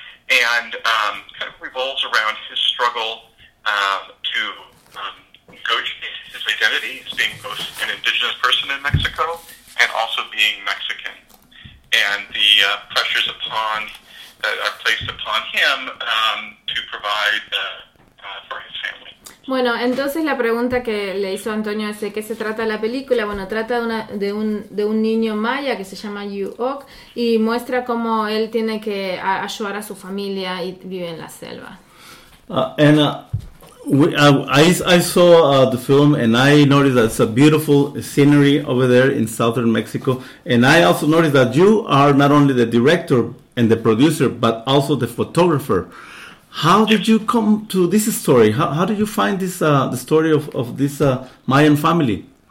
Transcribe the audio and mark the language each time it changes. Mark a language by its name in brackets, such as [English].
[English] and kind of revolves around his struggle to negotiate his identity as being both an indigenous person in Mexico and also being Mexican, and the pressures upon that are placed upon him to provide for his family. [Spanish] Bueno, entonces la pregunta que le hizo Antonio es de qué se trata la película. Bueno, trata de un niño maya que se llama Yuok y muestra cómo él tiene que ayudar a su familia y vive en la selva. [English] I saw the film and I noticed that it's a beautiful scenery over there in southern Mexico. And I also noticed that you are not only the director and the producer, but also the photographer. How did you come to this story? How did you find this the story of this Mayan family?